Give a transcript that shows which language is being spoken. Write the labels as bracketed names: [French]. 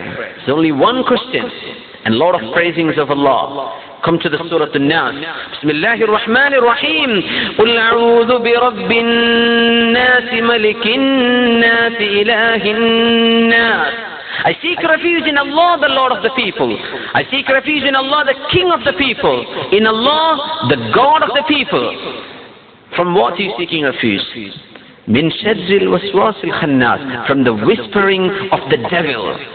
[English] There's only one Christian, and lot of praisings of Allah. Come to the Surah An-Nas. [Arabic] بسم الله الرحمن الرحيم. قل أعوذ برب الناس ملك الناس إله الناس. [English] I seek refuge in Allah, the Lord of the people. I seek refuge in Allah, the King of the people. In Allah, the God of the people. From what are you seeking refuge? [Arabic] Min شَدْرِ الْوَسْوَاسِ الْخَنَّاسِ [English] From the whispering of the devil.